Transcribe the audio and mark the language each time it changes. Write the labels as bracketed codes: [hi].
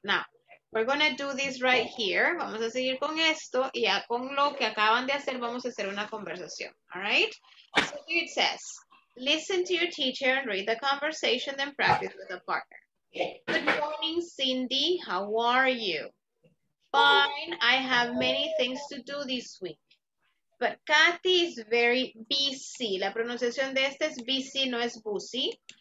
[en] Now, we're going to do this right here. [es] Vamos a seguir con esto. Y ya con lo que acaban de hacer, vamos a hacer una conversación. [en] All right? So here it says, listen to your teacher and read the conversation, then practice with a partner. Good morning, Cindy. How are you? Fine. I have many things to do this week. But Kathy is very busy. [es] La pronunciación de este es busy, no es busy.